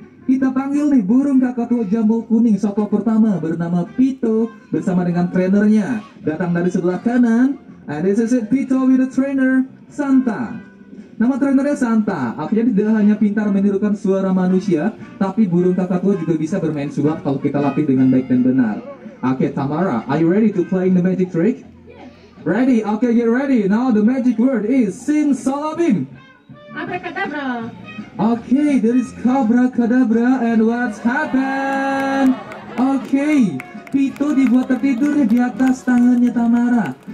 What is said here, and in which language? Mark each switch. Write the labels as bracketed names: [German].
[Indonesian] Kita panggil nih burung kakatua jambul kuning satwa pertama bernama Pito bersama dengan trenernya datang dari sebelah kanan. [English] And this is it, Pito with the trainer, Santa. [Indonesian] Nama trainernya Santa, artinya tidak hanya pintar menirukan suara manusia, tapi burung kakatua juga bisa bermain suap kalau kita latih dengan baik dan benar. [English] Okay, Tamara, are you ready to play the magic trick? Yes. Ready, okay, get ready. Now the magic word is simsalabim. Abracadabra. Okay, there is abracadabra, and what's happened? [Indonesian] Okay, Pito dibuat tertidur di atas tangannya Tamara.